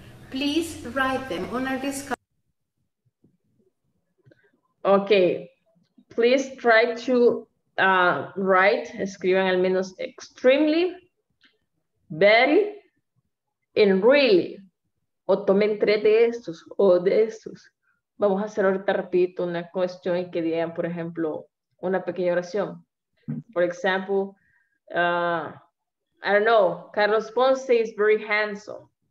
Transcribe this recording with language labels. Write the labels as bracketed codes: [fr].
[en] Please write them on our discussion. Okay. Please try to write, [es] escriban al menos [en] extremely, very, and really. [es] O tomen tres de estos, o de estos. Vamos a hacer ahorita rapidito una cuestión que digan, por ejemplo, una pequeña oración. [en] For example, I don't know, Carlos Ponce is very handsome.